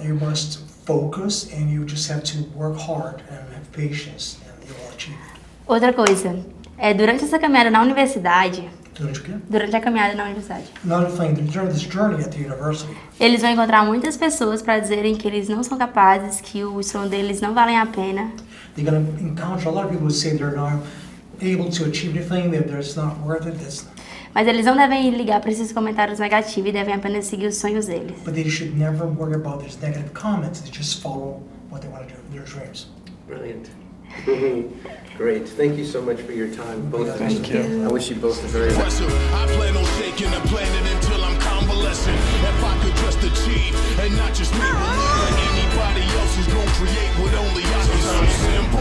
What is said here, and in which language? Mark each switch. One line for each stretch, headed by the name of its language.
English: You must focus and you just have to work hard and have patience and you will achieve it.
Portuguese: Outra coisa, é durante essa caminhada na universidade. Durante o quê? Durante a caminhada na universidade.
English: Not this journey at the university.
Portuguese: Eles vão encontrar muitas pessoas para dizerem que eles não são capazes, que o sonho deles não vale a pena.
English: they're going to encounter a lot of people who say they're not able to achieve anything, that it's not worth it. It's not.
Portuguese: Mas eles não devem ligar para esses comentários negativos e devem apenas seguir os sonhos deles.
English: But they should never worry about these negative comments. They just follow what they want to do, their dreams. Brilliant. Great. Thank you so much for your time, both of you. Thank you. I wish you both the very best. I plan on taking a planet until I'm convalescing. If I could trust the chief and not just me, but anybody else is going to create what only I can see.